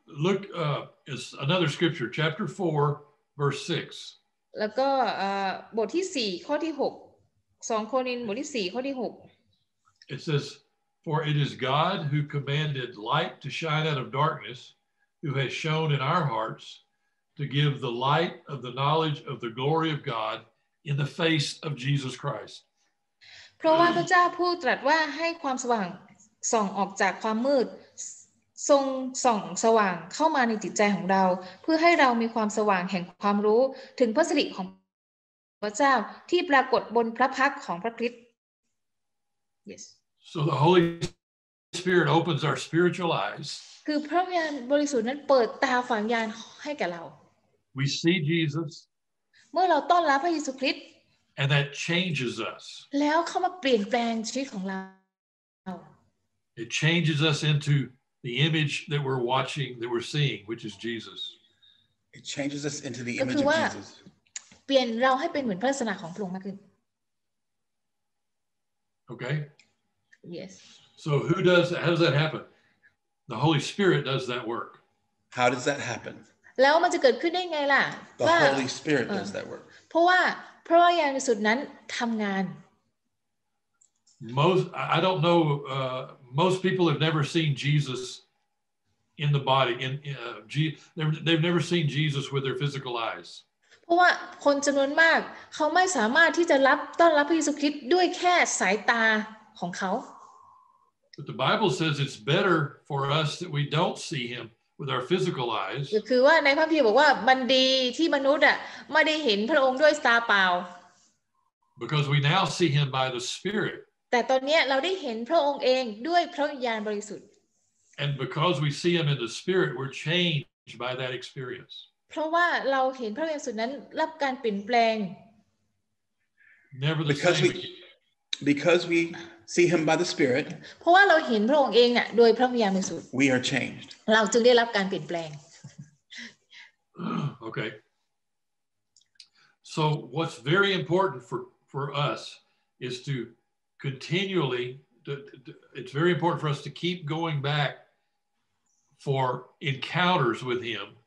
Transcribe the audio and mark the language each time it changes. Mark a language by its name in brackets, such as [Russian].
[English] Look, it's another scripture, chapter 4, verse 6. [Thai] แล้วก็บทที่4ข้อที่6 2 โครินธ์บทที่4ข้อที่6 [English] It says. For it is God who commanded light to shine out of darkness, who has shown in our hearts to give the light of the knowledge of the glory of God in the face of Jesus Christ. [Thai] เพราะว่าพระเจ้าผู้ตรัสว่าให้ความสว่างส่องออกจากความมืดทรงส่องสว่างเข้ามาในจิตใจของเราเพื่อให้เรามีความสว่างแห่งความรู้ถึงพระสิริของพระเจ้าที่ปรากฏบนพระพักของพระคริสต์ [English] Yes. So the Holy Spirit opens our spiritual eyes. [Thai] คือพระวิญญาณบริสุทธิ์นั้นเปิดตาฝังญาณให้แก่เรา [English] We see Jesus. [Thai] เมื่อเราต้อนรับพระเยซูคริสต์ [English] And that changes us. [Thai] แล้วเข้ามาเปลี่ยนแปลงชีวิตของเรา [English] It changes us into the image that we're watching, that we're seeing, which is Jesus. It changes us into the image of Jesus. [Thai] เปลี่ยนเราให้เป็นเหมือนพระลักษณะของพระองค์มากขึ้น [English] Okay. Yes. So who does that? How does that happen? The Holy Spirit does that work. How does that happen? [Thai] แล้วมันจะเกิดขึ้นได้ไงล่ะ [English] The Holy Spirit does that work. [Thai] เพราะว่าพระวิญญาณบริสุทธิ์นั้นทำงาน [English] Most I don't know most people have never seen Jesus in the body in they've never seen Jesus with their physical eyes. [Thai] เพราะว่าคนจํานวนมากเขาไม่สามารถที่จะรับต้อนรับพระเยซูคริสต์ด้วยแค่สายตาของเขา [English] But the Bible says it's better for us that we don't see him with our physical eyes. [Thai] คือว่าในพระคัมภีร์บอกว่ามันดีที่มนุษย์อ่ะไม่ได้เห็นพระองค์ด้วยตาเปล่า [English] Because we now see him by the Spirit. [Thai] แต่ตอนเนี้ยเราได้เห็นพระองค์เองด้วยพระวิญญาณบริสุทธิ์ [English] And because we see him in the Spirit, we're changed by that experience. [Thai] เพราะว่าเราเห็นพระวิญญาณบริสุทธิ์นั้นรับการเปลี่ยนแปลง [English] Never the same again. Because we see him by the spirit [Thai] เพราะว่าเราเห็นพระองค์เองน่ะโดยพระวิญญาณบริสุทธิ์ [English] we are changed [Thai] เราจึงได้รับการเปลี่ยนแปลง [English] okay so what's very important for us is to continually it's very important for us to keep going back for encounters with him